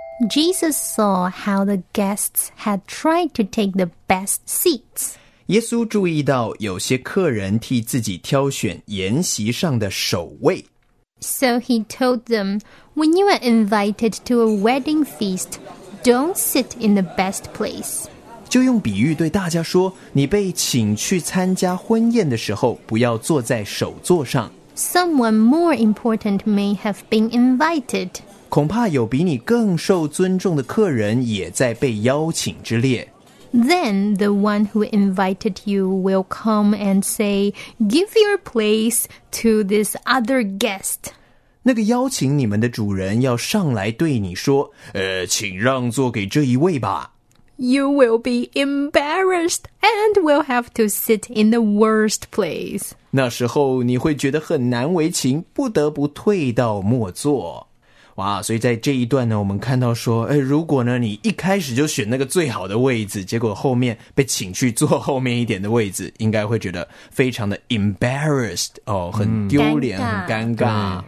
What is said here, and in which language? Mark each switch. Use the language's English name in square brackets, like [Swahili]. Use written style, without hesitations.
[English] Jesus saw how the guests had tried to take the best seats. [Chinese] 耶稣注意到有些客人替自己挑选筵席上的首位。 [English] So he told them, when you are invited to a wedding feast, don't sit in the best place. [Chinese] 就用比喻对大家说，你被请去参加婚宴的时候，不要坐在首座上。 [English] Someone more important may have been invited. [Chinese] 恐怕有比你更受尊重的客人也在被邀请之列。 [English] Then the one who invited you will come and say, "Give your place to this other guest." [Chinese] 那个邀请你们的主人要上来对你说，请让座给这一位吧。 [English] You will be embarrassed and will have to sit in the worst place. [Chinese] 那时候你会觉得很难为情，不得不退到末座。哇，所以在这一段呢，我们看到说，哎，如果呢你一开始就选那个最好的位置，结果后面被请去坐后面一点的位置，应该会觉得非常的 embarrassed 哦，很丢脸，很尴尬。